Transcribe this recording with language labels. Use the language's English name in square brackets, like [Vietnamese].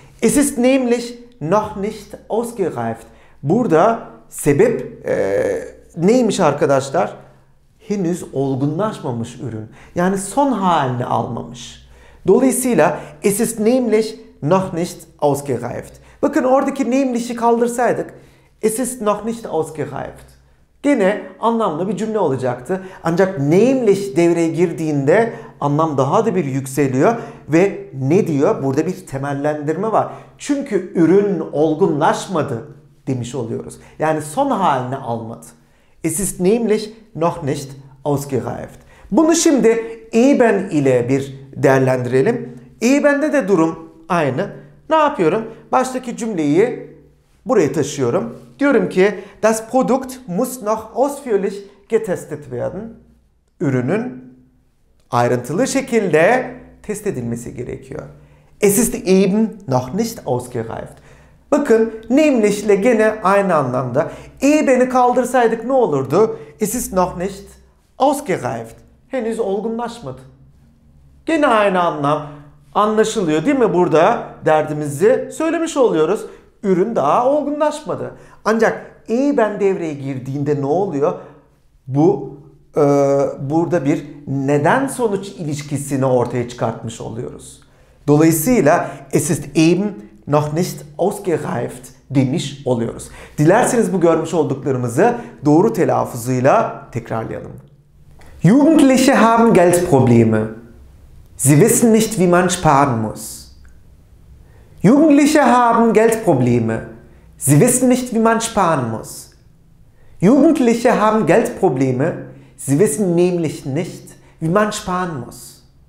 [German] Es ist nämlich noch nicht ausgereift. [Turkish] Burada sebep neymiş arkadaşlar? Henüz olgunlaşmamış ürün. Yani son halini almamış. Dolayısıyla [German] es ist nämlich noch nicht ausgereift. [Turkish] Bakın oradaki nämlich'i kaldırsaydık [German] es ist noch nicht ausgereift. [Turkish] Gene anlamlı bir cümle olacaktı. Ancak nämlich devreye girdiğinde anlam daha da bir yükseliyor. Ve ne diyor? Burada bir temellendirme var. Çünkü ürün olgunlaşmadı demiş oluyoruz. Yani son halini almadı. [German] Es ist nämlich noch nicht ausgereift. [Turkish] Bunu şimdi eben ile bir değerlendirelim. Eben'de de durum aynı. Ne yapıyorum? Baştaki cümleyi buraya taşıyorum. Diyorum ki [German] das Produkt muss noch ausführlich getestet werden. [Turkish] Ürünün ayrıntılı şekilde test edilmesi gerekiyor. [German] Es ist eben noch nicht ausgereift. [Turkish] Bakın nämlich ile gene aynı anlamda. Eben'i kaldırsaydık ne olurdu? [German] Es ist noch nicht ausgereift. [Turkish] Henüz olgunlaşmadı. Gene aynı anlam. Anlaşılıyor değil mi? Burada derdimizi söylemiş oluyoruz. Ürün daha olgunlaşmadı. Ancak eben devreye girdiğinde ne oluyor? Bu burada bir neden sonuç ilişkisini ortaya çıkartmış oluyoruz. Dolayısıyla [German] es ist eben noch nicht ausgereift [Turkish] demiş oluyoruz. Dilerseniz bu görmüş olduklarımızı doğru telaffuzuyla tekrarlayalım. [German] Jugendliche haben Geldprobleme. Sie wissen nicht, wie man sparen muss. Jugendliche haben Geldprobleme. Sie wissen nicht, wie man sparen muss. Jugendliche haben Geldprobleme. Sie wissen nämlich nicht, wie man sparen muss.